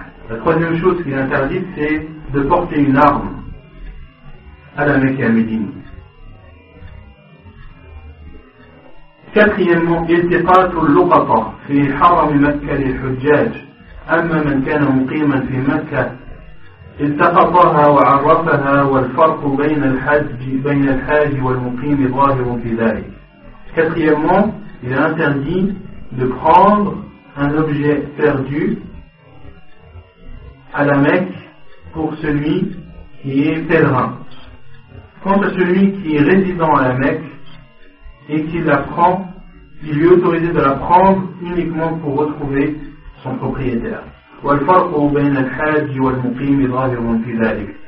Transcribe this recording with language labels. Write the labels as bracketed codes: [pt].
[fr] La troisième chose qui est interdite, c'est de porter une arme à la Mecque et à Médine. Quatrièmement, il n'était pas tout le loupata, c'est le haram de Mecque et le hujjaj. [ar] أما من كان مقيما في مكة التقطها وعرفها والفرق بين الحج بين الحاج والمقيم ظاهر في ذلك. [fr] Quatrièmement, il est interdit de prendre un objet perdu à la Mecque pour celui qui est pèlerin. Quant à celui qui est résident à la Mecque et qui la prend, il lui est autorisé de la prendre uniquement pour retrouver son propriétaire. [ar] والفرق بين الحاج والمقيم ظاهر في ذلك.